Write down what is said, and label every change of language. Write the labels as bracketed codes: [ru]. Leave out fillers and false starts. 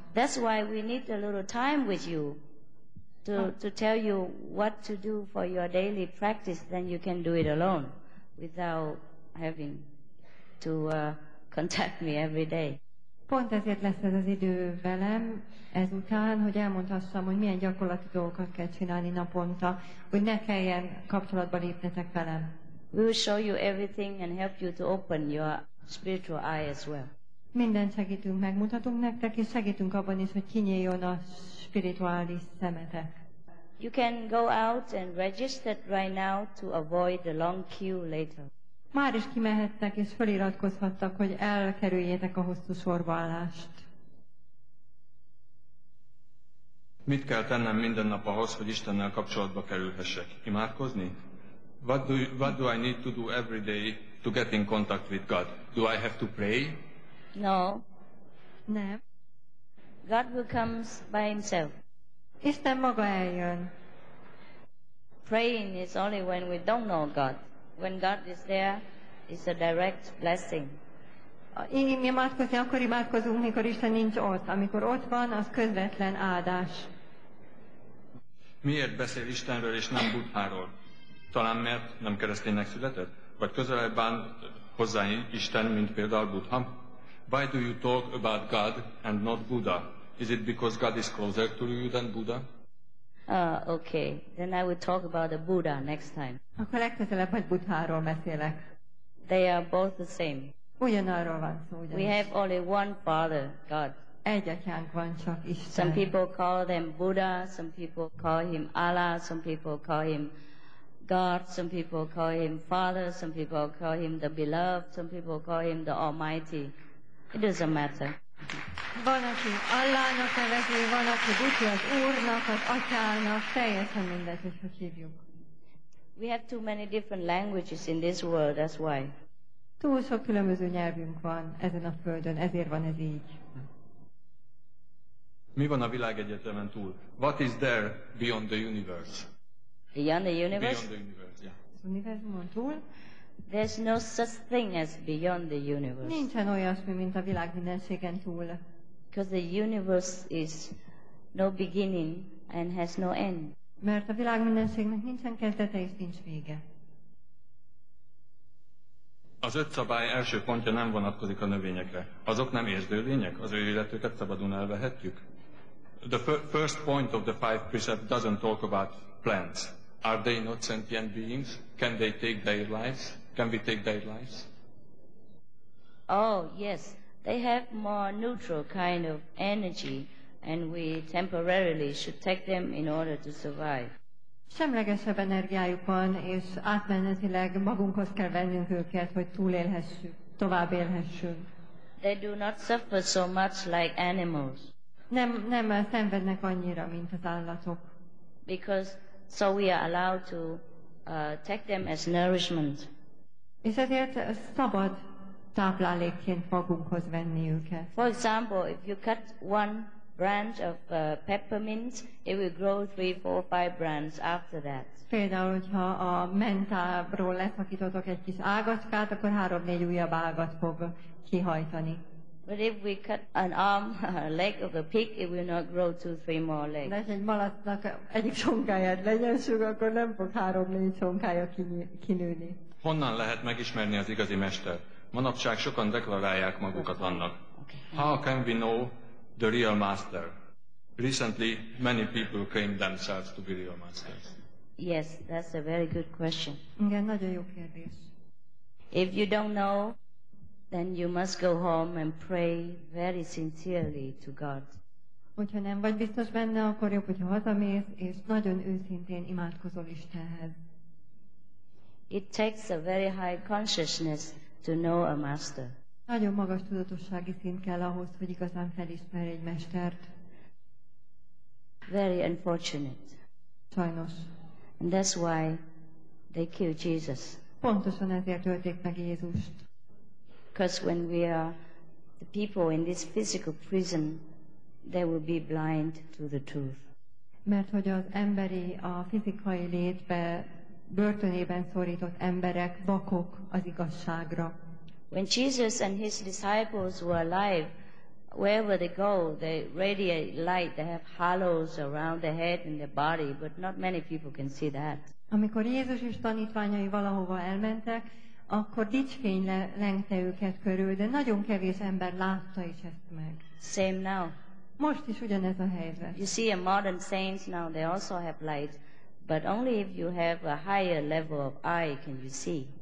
[en] That's why we need a little time with you to tell you what to do for your daily practice, then you can do it alone without having to contact me every day. [hu] Pont ezért lesz ez az idő velem ezután, hogy elmondhassam, hogy milyen gyakorlati dolgokat kell csinálni naponta, hogy ne kelljen kapcsolatba lépnetek velem. [en] We will show you everything and help you to open your spiritual eye as well. [hu] Mindent segítünk, megmutatunk nektek, és segítünk abban is, hogy kinyíljon a spirituális szemetek. [en] You can go out and register right now to avoid the long queue later. [hu] Már is kimehettek és feliratkozhattak, hogy elkerüljétek a hosszú sorbaállást. Mit kell tennem minden nap ahhoz, hogy Istennel kapcsolatba kerülhessek? Imádkozni? [en] What do I need to do every day to get in contact with God? Do I have to pray? No. [hu] Nem. [en] God will come by himself. [hu] Isten maga eljön. [en] Praying is only when we don't know God. When God is there, it's a direct blessing. [hu] Mi imádkozni, akkor imádkozunk, mikor Isten nincs ott. Amikor ott van, az közvetlen áldás. Miért beszél Istenről és nem Buddháról? Talán mert nem kereszténynek született? Vagy közelebb áll hozzá Isten, mint például Buddha? [en] Why do you talk about God and not Buddha? Is it because God is closer to you than Buddha? Okay, then I will talk about the Buddha next time. [hu] Akkor legközelebb majd Buddháról beszélek. [en] They are both the same. [hu] Ugyanarról van szó, ugyanis. [en] We have only one Father, God. [hu] Egy atyánk van csak, Isten. [en] Some people call them Buddha, some people call him Allah, some people call him God, some people call him Father, some people call him the Beloved, some people call him the Almighty. It doesn't matter. [hu] Van, aki Allahnak nevezi, van, aki Buddha, az Úrnak, az Atyának, teljesen mindegy, hogy hogy hívjuk. [en] We have too many different languages in this world, that's why. [hu] Túl sok különböző nyelvünk van ezen a földön, ezért van ez így. Mi van a világegyetemen túl? [en] What is there beyond the universe? Beyond the universe? Beyond the universe, yeah. [hu] Az univerzumon túl? [en] There's no such thing as beyond the universe. [hu] Nincsen olyasmi, mint a világ mindenségen túl. [en] Because the universe is no beginning and has no end. [hu] Mert a világ mindenségnek nincsen kezdete és nincs vége. Az öt szabály első pontja nem vonatkozik a növényekre. Azok nem érzőlények? Az ő életüket szabadon elvehetjük? [en] The first point of the five precepts doesn't talk about plants. Are they not sentient beings? Can they take their lives? Can we take their lives? Oh, yes. They have more neutral kind of energy and we temporarily should take them in order to survive. [hu] Semlegesebb energiájuk van, és átmenetileg magunkhoz kell vennünk őket, hogy túlélhessük, tovább élhessünk. [en] They do not suffer so much like animals. [hu] Nem szenvednek annyira, mint az állatok. [en] Because so we are allowed to take them as nourishment. [hu] És ezért szabad táplálékként magunkhoz venni őket. [en] For example, if you cut one branch of peppermint, it will grow 3, 4, 5 branches after that. [hu] Például, hogyha a mentából leszakítotok egy kis ágacskát, akkor 3-4 újabb ágat fog kihajtani. [en] But if we cut an arm, a leg of a pig, it will not grow 2-3 more legs. [hu] De egy malacnak egyik csonkáját legyen sok, akkor nem fog 3-4 csonkája kinőni. Honnan lehet megismerni az igazi mestert? Manapság sokan deklarálják magukat annak. [en] Okay. How can we know the real master? Recently, many people claim themselves to be real masters. Yes, that's a very good question. [hu] Igen, nagyon jó kérdés. [en] If you don't know, then you must go home and pray very sincerely to God. [hu] Hogyha nem vagy biztos benne, akkor jobb, hogyha hazamész, és nagyon őszintén imádkozol Istenhez. [en] It takes a very high consciousness to know a master. [hu] Nagyon magas tudatossági szint kell ahhoz, hogy igazán felismerj egy mestert. [en] Very unfortunate. [hu] Sajnos. [en] And that's why they killed Jesus. [hu] Pontosan ezért ölték meg Jézust. [en] Because when we are the people in this physical prison, they will be blind to the truth. [hu] Mert hogy az emberi, a fizikai létbe börtönében szorított emberek vakok az igazságra. [en] When Jesus and his disciples were alive, wherever they go, they radiate light. They have halos around their head and their body, but not many people can see that. [hu] Amikor Jézus és tanítványai valahova elmentek, akkor dicsfény lengte őket körül, de nagyon kevés ember látta is ezt meg. [en] Same now. [hu] Most is ugyanez a helyzet. [en] You see, a modern saints now, they also have light, but only if you have a higher level of eye can you see.